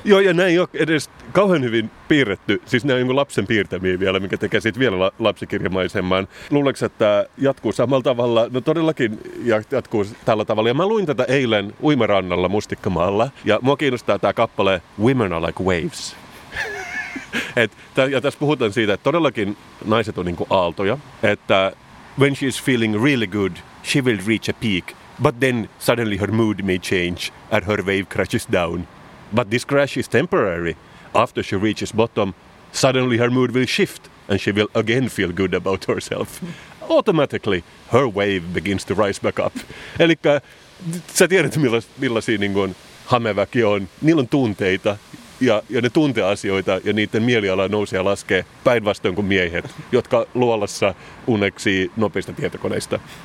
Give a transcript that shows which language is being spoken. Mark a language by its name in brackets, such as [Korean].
[Finnish] Joo, ja näin ei ole edes kauhean hyvin piirretty. Siis nämä on joku lapsen piirtämiä vielä, mikä tekee siitä vielä lapsikirjamaisemman. Luuleeko, että tämä jatkuu samalla tavalla? No todellakin jatkuu tällä tavalla. Ja mä luin tätä eilen uimarannalla Mustikkamaalla. Ja mua kiinnostaa tämä kappale Women are like waves. ja tässä puhutaan siitä, että todellakin naiset on niin kuin aaltoja. [English] Että when she is feeling really good, she will reach a peak. But then suddenly her mood may change and her wave crashes down. But this crash is temporary. After she reaches bottom, suddenly her mood will shift and she will again feel good about herself. Automatically, her wave begins to rise back up. [Finnish] Elikkä sä tiedät, millaisia niin kuin hameväki on. Niillä on tunteita ja ne tuntee asioita ja niiden mieliala nousee ja laskee päinvastoin kuin miehet, jotka luolassa uneksii nopeista tietokoneista.